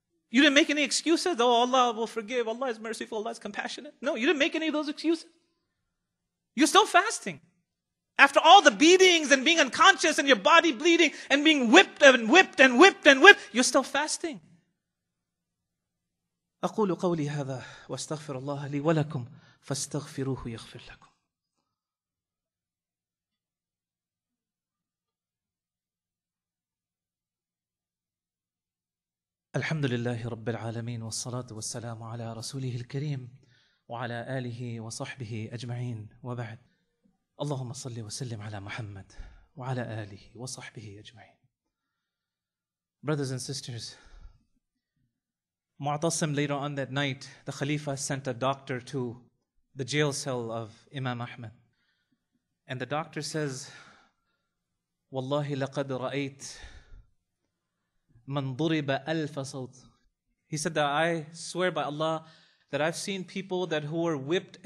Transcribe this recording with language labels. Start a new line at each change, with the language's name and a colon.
English: You didn't make any excuses? Oh, Allah will forgive. Allah is merciful. Allah is compassionate. No, you didn't make any of those excuses. You're still fasting. After all the beatings and being unconscious and your body bleeding and being whipped and whipped and whipped and whipped, you're still fasting.
Arabic: أقول قولي هذا واستغفر الله لي ولكم فاستغفروه يغفر لكم. الحمد لله رب العالمين والصلاة والسلام على رسوله الكريم وعلى آله وصحبه أجمعين وبعد اللهم صل وسلم على محمد وعلى آله وصحبه أجمعين.
English: Brothers and sisters, Mu'tasim later on that night, the Khalifa sent a doctor to the jail cell of Imam Ahmed. And the doctor says,
Arabic: Wallahi laqad ra'ayt man duriba alfa sawt.
English: He said that I swear by Allah that I've seen people that who were whipped at